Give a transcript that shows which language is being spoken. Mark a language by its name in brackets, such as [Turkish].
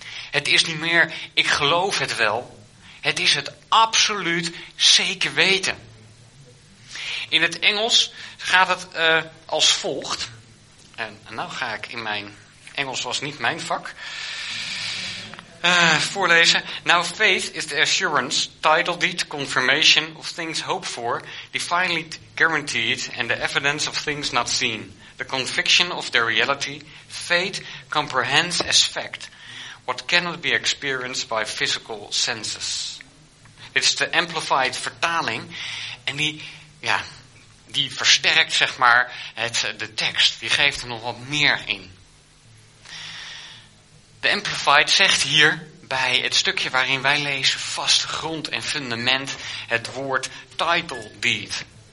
[Dutch] Het is niet meer, ik geloof het wel. Het is het absoluut zeker weten. In het Engels gaat het als volgt. En nou ga ik in mijn... Engels was niet mijn vak. Voorlezen. [English] Now faith is the assurance, title deed, confirmation of things hoped for, definitely guaranteed, and the evidence of things not seen. The conviction of their reality. Faith comprehends as fact what cannot be experienced by physical senses. [Dutch] Dit is de amplified vertaling. En die... Ja... Die versterkt, zeg maar, de tekst. Die geeft er nog wat meer in. De Amplified zegt hier, bij het stukje waarin wij lezen, vaste grond en fundament, het woord title deed.